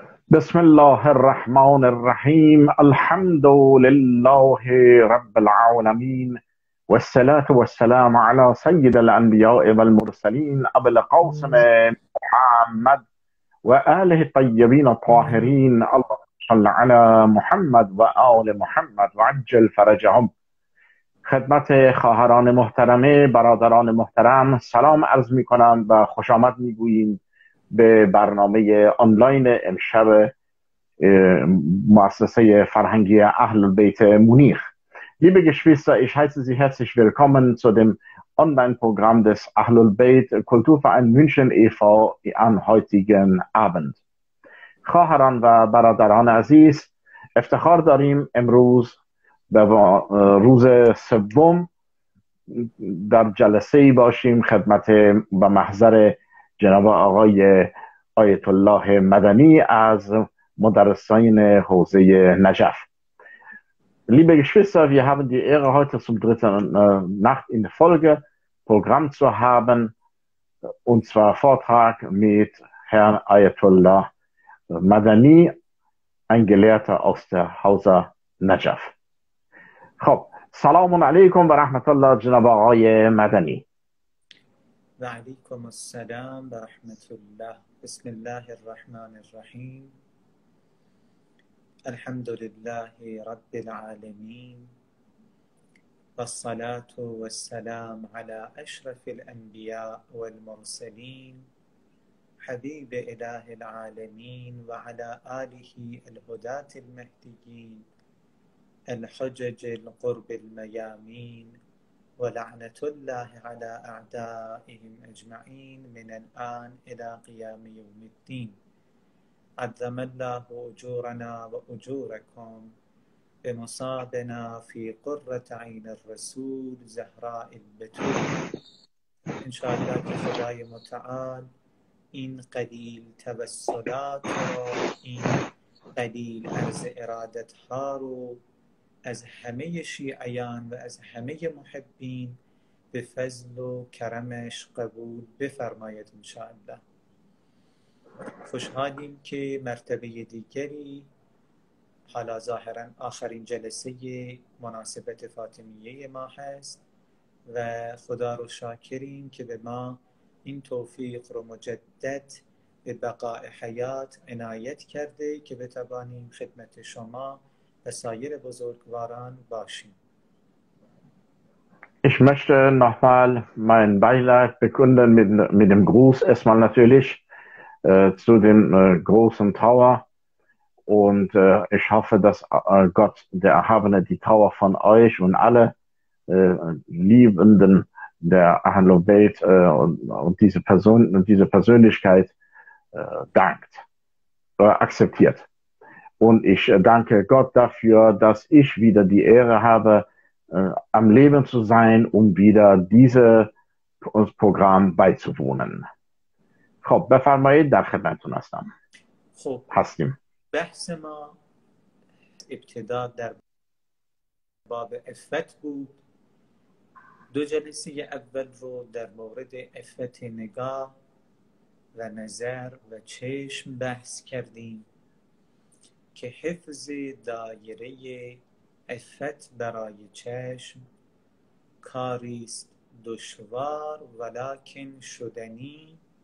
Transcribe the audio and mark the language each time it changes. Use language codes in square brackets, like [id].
[ar] بسم الله الرحمن الرحيم، الحمد لله رب العالمين، والصلاة والسلام على سيد الأنبياء والمرسلين أبي القاسم محمد وآله الطيبين الطاهرين. اللهم صل على محمد وآل محمد وعجل فرجهم. [fa] خدمت خواهران محترمه، برادران محترم، سلام عرض می کنم و خوش آمد می گوییم به برنامه آنلاین امشب مؤسسه فرهنگی اهل بیت مونیخ. [de] Liebe Geschwister, ich heiße Sie herzlich willkommen zu dem Online-Programm des Ahlul Bayt Kulturverein München e.V. am heutigen Abend. [fa] خواهران و برادران عزیز، افتخار داریم امروز به روز سوم در جلسه باشیم خدمت به محضر جناب آقای آیت الله مدنی از مدرسین حوزه نجف. [de] Liebe Geschwister, wir haben die Ehre, heute zum dritten Nacht in Folge Programm zu haben, und zwar Vortrag mit Herrn Ayatollah Madani, ein Gelehrter aus der Hausa Najaf. [fa] خب، سلام علیکم و رحمت الله جناب آقای مدنی. [ar] و علیکم السلام و رحمت الله. بسم الله الرحمن الرحیم. الحمد لله رب العالمين والصلاة والسلام على أشرف الأنبياء والمرسلين حبيب إله العالمين وعلى آله الهداة المهديين الحجج القرب الميامين ولعنة الله على أعدائهم أجمعين من الآن إلى قيام يوم الدين. عظم الله أجورنا وأجوركم بمصابنا في قرة عين الرسول زهراء البتول. [fa] إن شاء الله خدای متعال این قلیل توسلات رو، این قلیل عرض ارادت ها رو از همه شیعیان و از همه محبین به فضل و کرمش قبول بفرماید ان شاء الله. خوشحالیم که مرتبه دیگری، حالا ظاهرا آخرین جلسه مناسبت فاطمیه ما هست، و خدا رو شاکریم که به ما این توفیق رو مجدد به بقای حیات عنایت کرده که بتوانیم خدمت شما و سایر بزرگواران باشیم. [de] Ich möchte nochmal mein Beileid bekunden mit dem Gruß erstmal natürlich zu dem großen Trauer, und ich hoffe, dass Gott der Erhabene die Trauer von euch und alle Liebenden der Ahlul Bayt und diese Person und diese Persönlichkeit dankt oder akzeptiert. Und ich danke Gott dafür, dass ich wieder die Ehre habe, am Leben zu sein, um wieder dieses Programm beizuwohnen. [fa] خب بفرمایید، در خدمتتون هستم. خب هستیم. بحث ما ابتدا در باب عفت بود. دو جلسه اول رو در مورد عفت نگاه و نظر و چشم بحث کردیم که حفظ دایره عفت برای چشم کاری است دشوار ولکن شدنی